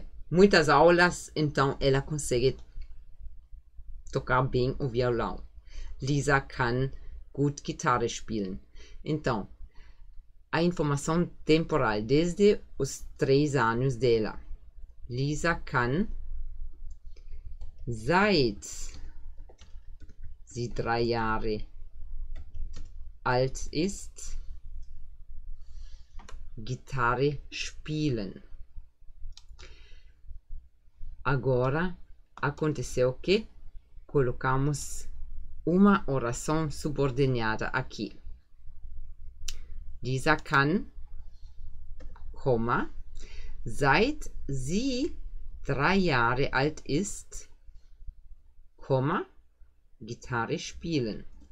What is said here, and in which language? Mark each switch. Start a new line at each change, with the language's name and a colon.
Portuguese: muitas aulas, então ela consegue tocar bem o violão.
German: Lisa kann gut Gitarre spielen.
Portuguese: Então, a informação temporal desde os 3 anos dela.
German: Lisa kann seit sie 3 Jahre alt ist Gitarre spielen.
Portuguese: Agora, aconteceu que colocamos uma oração subordinada aqui.
German: Lisa kann, seit sie 3 Jahre alt ist, Gitarre spielen.